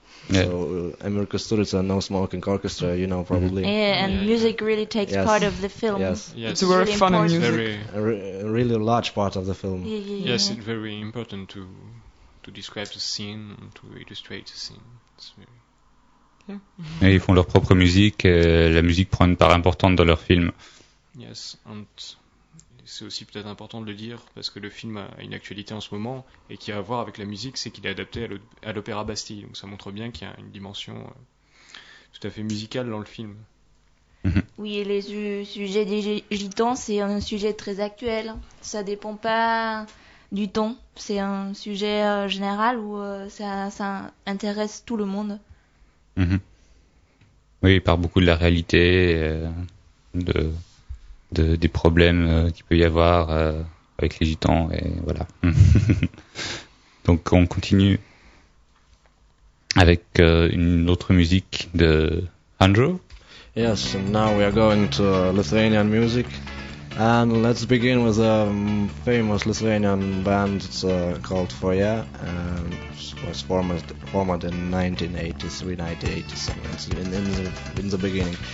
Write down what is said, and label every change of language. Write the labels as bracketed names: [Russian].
[English] Yeah. So Emir Kusturica, No Smoking Orchestra, you know, probably. Yeah, and music really takes part of the film. Yes, it's a very fun music. A really large part of the film. Yes, it's very important to describe the scene, to illustrate the scene. It's very... Yeah. [French] Et ils font leur propre musique, et la musique prend une part importante dans leur film. [English] Yes, and... [French] C'est aussi peut-être important de le dire, parce que le film a une actualité en ce moment, et qui a à voir avec la musique, c'est qu'il est adapté à l'Opéra Bastille. Donc ça montre bien qu'il y a une dimension tout à fait musicale dans le film. Mm-hmm. Oui, et les sujets des gitans, c'est un sujet très actuel. Ça ne dépend pas du ton. C'est un sujet général où ça intéresse tout le monde. Mm-hmm. Oui, il part beaucoup de la réalité, des problèmes qu'il peut y avoir avec les gitans, et voilà. Donc on continue avec une autre musique de Andrew. [English] Yes, and now we are going to Lithuanian music, and let's begin with a famous Lithuanian band. It's called Foya, and was formed in 1983-1987, in the beginning.